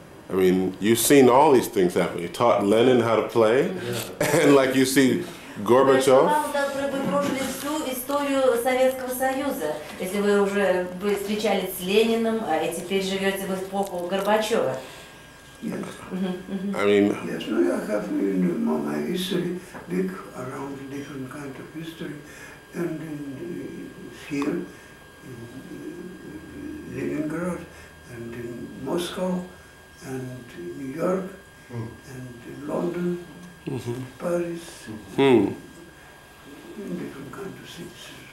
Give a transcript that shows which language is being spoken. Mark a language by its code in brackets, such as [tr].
[en] I mean, you've seen all these things happen. You taught Lenin how to play, and like you see Gorbachev. [ru] Вы прошли всю историю Советского Союза, если вы уже встречались с Лениным, а теперь живете в эпоху Горбачева. [en] I mean, yes, no, I have in my history big around different kind of history, and in here in Leningrad, and in Moscow, and New York, and in London, Paris, in different kind of cities.